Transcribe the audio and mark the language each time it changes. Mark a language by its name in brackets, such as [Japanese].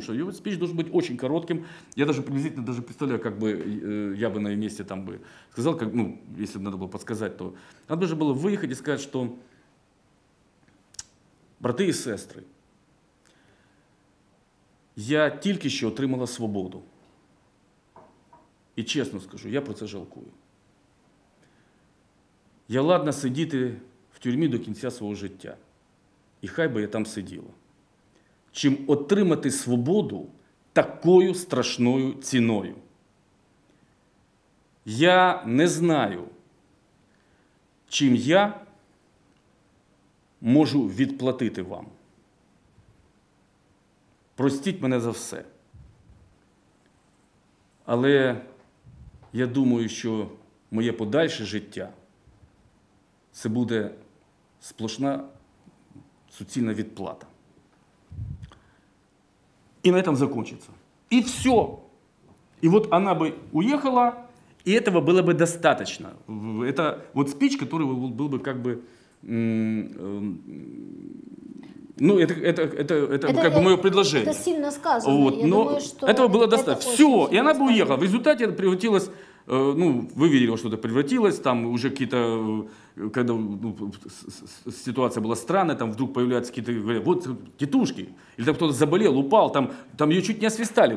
[Russian] Потому что спич должен быть очень коротким. Я даже приблизительно даже представляю, как бы я бы на ее месте там бы сказал, как, ну, если бы надо было подсказать, то надо же было выехать и сказать, что [Ukrainian] «Брати і сестри, я тільки що отримала свободу. І чесно скажу, я про це жалкую. Я ладна сидіти в тюрмі до кінця свого життя. І хай би я там сиділа. Чим отримати свободу такою страшною ціною? Я не знаю, чим я можу відплатити вам. Простіть мене за все. Але я думаю, що моє подальше життя це буде сплошна суцільна відплата. І на цьому закінчиться. І все. І от вона б уїхала, і цього було б достатньо. Це от спіч, який був би як би... [Russian] Ну, это как бы мое предложение. Это сильно сказано. Вот, я думаю, что этого было достаточно. Все, и она бы уехала. В результате это превратилось, ну, вы видели, что это превратилось, там уже какие-то, когда ну, ситуация была странная, там вдруг появляются какие-то, говорят, вот тетушки, или там кто-то заболел, упал, там ее чуть не освистали.